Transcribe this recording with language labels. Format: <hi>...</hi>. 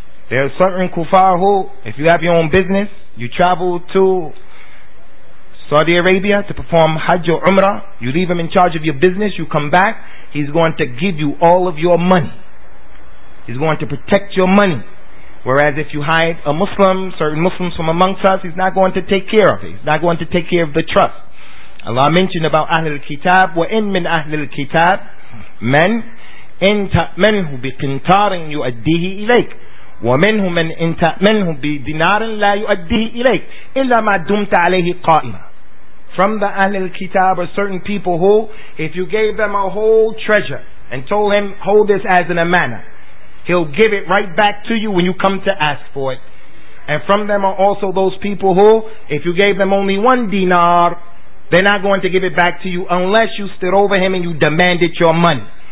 <en>There are certain kuffar who, if you have your own business, you travel to Saudi Arabia to perform Hajj or Umrah, you leave him in charge of your business, you come back, he's going to give you all of your money. He's going to protect your money. Whereas if you hide a Muslim, certain Muslims from amongst us, he's not going to take care of it. He's not going to take care of the trust. Allah mentioned about Ahl al-Kitab,</en> <ar>وَإِن مِّنْ أَهْلِ الْكِتَابِ مَنْ إِن تَأْمَنْهُ بِقِنْتَارٍ يُؤَدِّهِ إِلَيْكَ وَمِنْهُ مَنْ إِن تَأْمَنْهُ بِدِنَارٍ لَا يُؤَدِّهِ إِلَيْكَ إِلَّا مَا دُمْتَ عَلَيْهِ قَائِمًا.</ar> <en>From the Ahl al-Kitab are certain people who, if you gave them a whole treasure and told him, hold this as an amanah, he'll give it right back to you when you come to ask for it. And from them are also those people who, if you gave them only one dinar, they're not going to give it back to you unless you stood over him and you demanded your money.</en>